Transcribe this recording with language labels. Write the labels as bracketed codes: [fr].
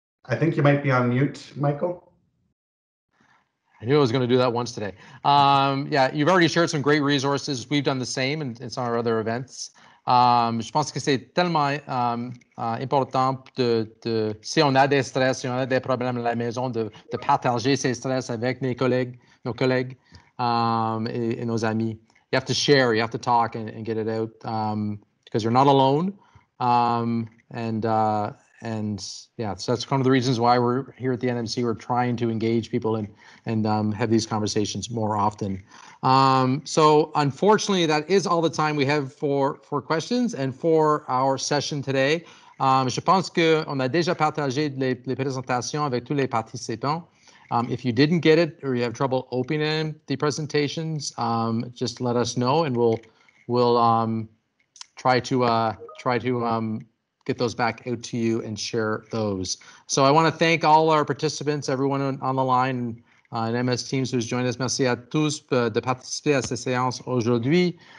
[en] I think you might be on mute, Michael. I knew I was going to do that once today. Yeah, you've already shared some great resources. We've done the same in some of our other events. [fr] Je pense que c'est tellement important de si on a des stress, si on a des problèmes à la maison, de partager ces stress avec nos collègues et nos amis. [en] You have to share, you have to talk and get it out because you're not alone. So that's one of the reasons why we're here at the NMC. We're trying to engage people and have these conversations more often. So unfortunately, that is all the time we have for questions and for our session today. [fr] Je pense qu'on a déjà partagé les présentations avec tous les participants. [en] If you didn't get it or you have trouble opening the presentations, just let us know and we'll try to get those back out to you and share those. So I want to thank all our participants, everyone on the line, and MS Teams who's joined us. [fr] Merci à tous de participer à cette séance aujourd'hui.